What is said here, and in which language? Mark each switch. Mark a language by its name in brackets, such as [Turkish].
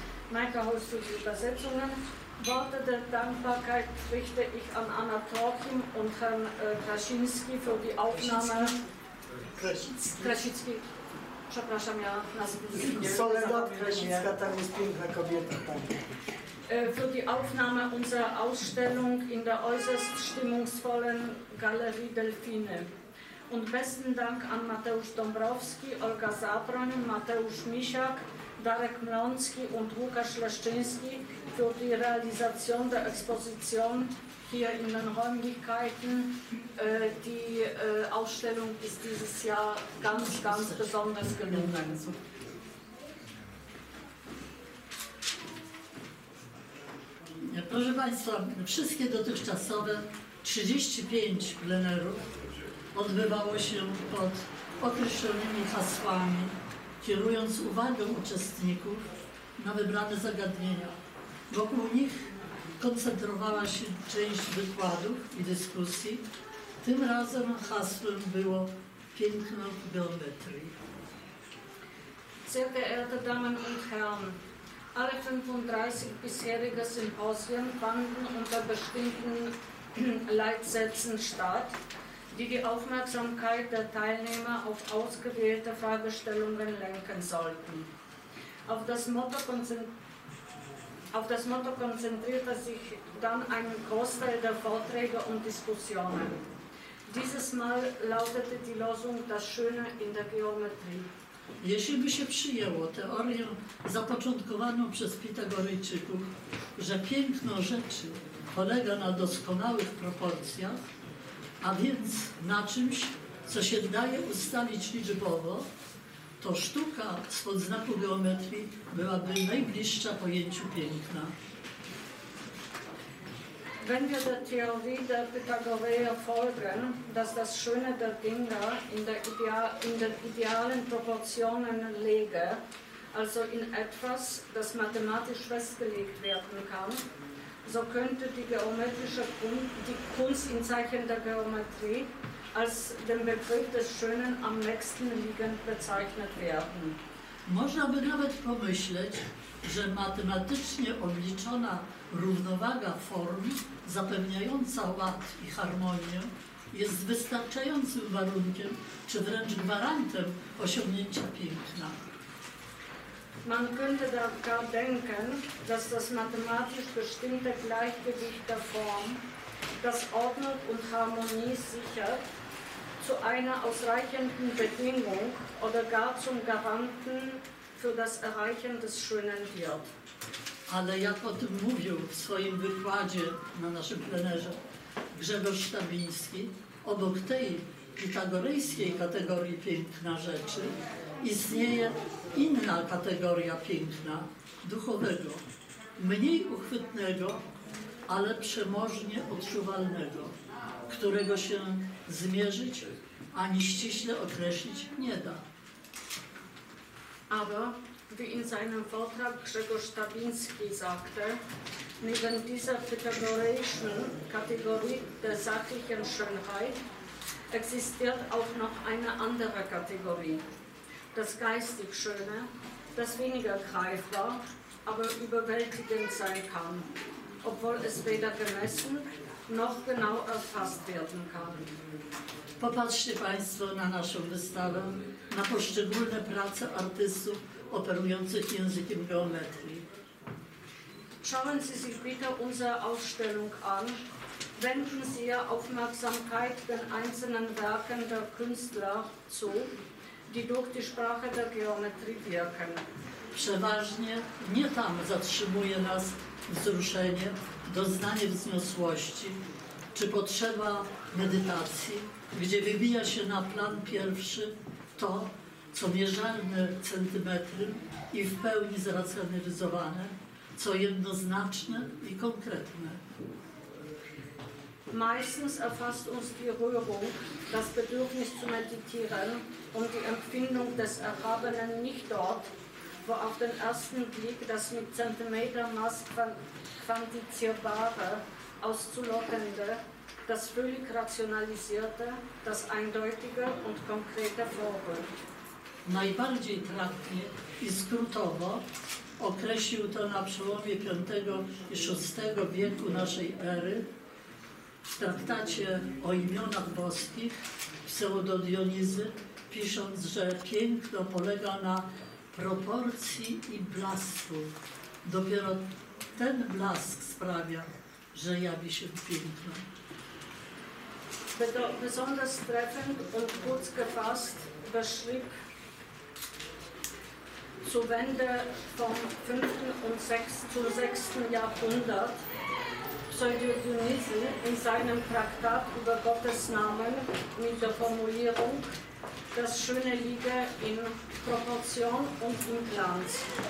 [German] Maike Holst für die Übersetzungen. Worte der Dankbarkeit richte ich an Anna Trochim und Herrn Krasiński für die Aufnahme. [Polish] Krasiński. Przepraszam, ja nazwę. Soledad Krasińska, tam jest piękna kobieta. [German] Für die Aufnahme unserer Ausstellung in der äußerst stimmungsvollen Galerie Delfine. Und besten Dank an Mateusz Dąbrowski, Olga Zabroń, Mateusz Misiak, Darek Mlonski und Łukasz Leszczyński für die Realisation der Exposition hier in den Räumlichkeiten. Die Ausstellung ist dieses Jahr ganz, ganz besonders gelungen. [Polish] Proszę Państwa, wszystkie dotychczasowe 35 plenerów odbywało się pod określonymi hasłami, kierując uwagę uczestników na wybrane zagadnienia. Wokół nich koncentrowała się część wykładów i dyskusji. Tym razem hasłem było piękno geometrii. [German] Sehr geehrte Damen und Herren, alle 35 bisherige Symposien fanden unter bestimmten Leitsätzen statt, die die Aufmerksamkeit der Teilnehmer auf ausgewählte Fragestellungen lenken sollten. Auf das Motto konzentrierte sich dann ein Großteil der Vorträge und Diskussionen. Dieses Mal lautete die Losung „Das Schöne in der Geometrie“. [Polish] Jeśli by się przyjęło teorię zapoczątkowaną przez Pitagorejczyków, że piękno rzeczy polega na doskonałych proporcjach, a więc na czymś, co się daje ustalić liczbowo, to sztuka spod znaku geometrii byłaby najbliższa pojęciu piękna. [German] Wenn wir der Theorie der Pythagoreer folgen, dass das Schöne der Dinge in den idealen Proportionen läge, also in etwas, das mathematisch festgelegt werden kann, so könnte die Kunst in Zeichen der Geometrie als den Begriff des Schönen am nächsten liegend bezeichnet werden. [Polish] Można by nawet pomyśleć, że matematycznie obliczona równowaga form zapewniająca ład i harmonię jest wystarczającym warunkiem, czy wręcz gwarantem osiągnięcia piękna. [German] Man könnte daran denken, dass das mathematisch bestimmte Gleichgewicht der Form, das Ordnung und Harmonie sichert, zu einer ausreichenden Bedingung oder gar zum Garanten für das Erreichen des Schönen wird. [Polish] Ale jak o tym mówił w swoim wykładzie na naszym plenerze Grzegorz Sztabiński, obok tej pitagorejskiej kategorii piękna rzeczy istnieje inna kategoria piękna, duchowego, mniej uchwytnego, ale przemożnie odczuwalnego, którego się zmierzyć ani ściśle określić nie da. [German] Aber wie in seinem Vortrag Grzegorz Sztabiński sagte, neben dieser pythagoreischen Kategorie der sachlichen Schönheit existiert auch noch eine andere Kategorie, das geistig Schöne, das weniger greifbar, aber überwältigend sein kann, obwohl es weder gemessen noch genau erfasst werden kann. [Polish] Popatrzcie Państwo na naszą wystawę, na poszczególne prace artystów operujących językiem geometrii. [German] Schauen Sie sich bitte unsere Ausstellung an. Wenden Sie Ihre Aufmerksamkeit den einzelnen Werken der Künstler zu, die durch die Sprache der Geometrie wirken. [Polish] Przeważnie nie tam zatrzymuje nas wzruszenie, doznanie wzniosłości, czy potrzeba medytacji, gdzie wybija się na plan pierwszy to, co mierzalne centymetry i w pełni zracjonalizowane, co jednoznaczne i konkretne. [German] Meistens erfasst uns die Rührung, das Bedürfnis zu meditieren und die Empfindung des Erhabenen nicht dort, wo auf den ersten Blick das mit Zentimetermaß quantifizierbare, auszulockende, das völlig rationalisierte, das eindeutige und konkrete vorrückt. [Polish] Najbardziej trafnie i skrótowo określił to na przełomie V i VI wieku naszej ery w traktacie o imionach boskich Pseudo-Dionizy, pisząc, że piękno polega na proporcji i blasku. Dopiero ten blask sprawia, że jawi się piękno. [German] Besonders treffend und kurz gefasst beschrieb zu Wende vom 5. und 6. zum 6. Jahrhundert Pseudo-Dionysi in seinem Traktat über Gottes Namen mit der Formulierung „Das Schöne liege in Proportion und im Glanz.